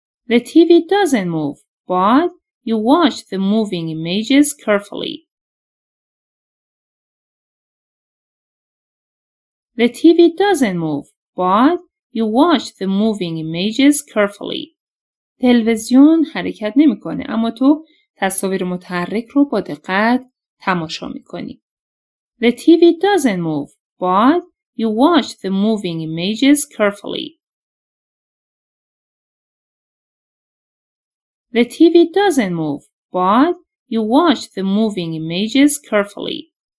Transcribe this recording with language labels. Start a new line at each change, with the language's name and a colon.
English: The TV doesn't move, but you watch the moving images carefully. The TV doesn't move, but you watch the moving images carefully.
Persian: تلویزیون حرکت نمی‌کنه، اما تو تصاویر متحرک رو با دقت تماشا می‌کنی.
English: The TV doesn't move, but you watch the moving images carefully. The TV doesn't move, but you watch the moving images carefully.